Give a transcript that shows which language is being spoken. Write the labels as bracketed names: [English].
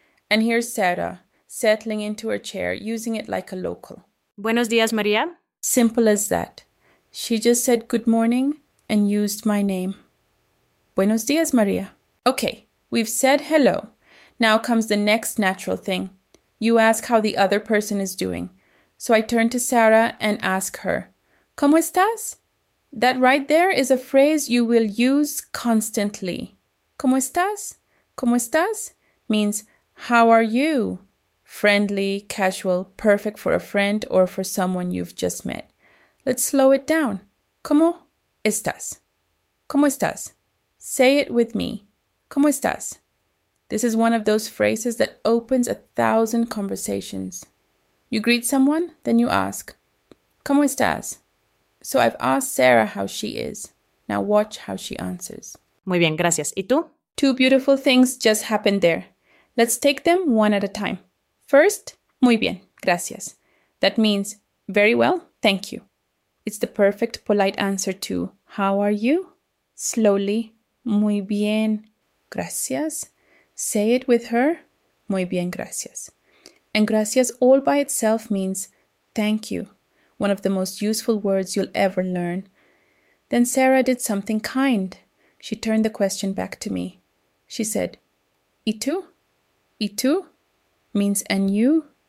[English] And here's Sarah, settling into her chair, using it like a local. [Spanish] Buenos días, María. [English] Simple as that. She just said good morning and used my name. [Spanish] Buenos días, María. [English] Okay, we've said hello. Now comes the next natural thing. You ask how the other person is doing. So I turn to Sarah and ask her, [Spanish] ¿Cómo estás? [English] That right there is a phrase you will use constantly. [Spanish] ¿Cómo estás? ¿Cómo estás? [English] Means, how are you? Friendly, casual, perfect for a friend or for someone you've just met. Let's slow it down. [Spanish] ¿Cómo estás? ¿Cómo estás? [English] Say it with me. [Spanish] ¿Cómo estás? [English] This is one of those phrases that opens a thousand conversations. You greet someone, then you ask. [Spanish] ¿Cómo estás? [English] So I've asked Sarah how she is. Now watch how she answers. [Spanish] Muy bien, gracias. ¿Y tú? [English] Two beautiful things just happened there. Let's take them one at a time. First, [Spanish] muy bien, gracias. [English] That means very well, thank you. It's the perfect polite answer to how are you? Slowly, [Spanish] muy bien, gracias. [English] Say it with her, [Spanish] muy bien, gracias. [English] And gracias all by itself means thank you, one of the most useful words you'll ever learn. Then Sarah did something kind. She turned the question back to me. She said, [Spanish] ¿Y tú? ¿Y tú? [English] Means, and you?